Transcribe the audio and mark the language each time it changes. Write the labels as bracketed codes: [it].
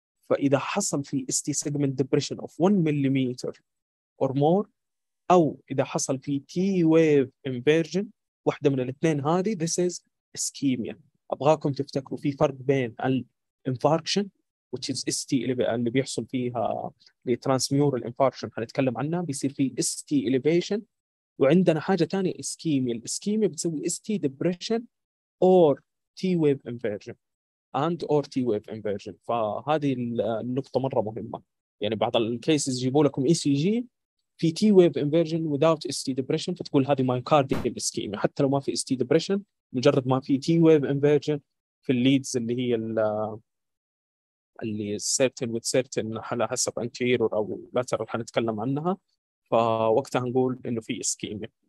[ar] فإذا حصل في [en] ST segment depression of 1 millimeter or more [ar] أو إذا حصل في [en] T wave inversion [ar] واحدة من الاثنين هذه [en] this is ischemia. [ar] أبغاكم تفتكروا في فرق بين الانفاركشن which is ST اللي بيحصل فيها [en] transmural infarction [ar] هنتكلم عنها بيصير في [en] ST elevation [ar] وعندنا حاجة تانية ischemia. الاسكيميا بتسوي [en] ST depression or T wave inversion and or T wave inversion. [ar] فهذه النقطة مرة مهمة يعني بعض الكيسز يجيبوا لكم ECG في [en] T wave inversion without ST depression [ar] فتقول هذه myocardial ischemia حتى لو ما في ST depression مجرد ما في T wave inversion في الليدز اللي هي اللي certain with certain على حسب anterior أو lateral هنتكلم عنها فوقتها نقول إنه في ischemia.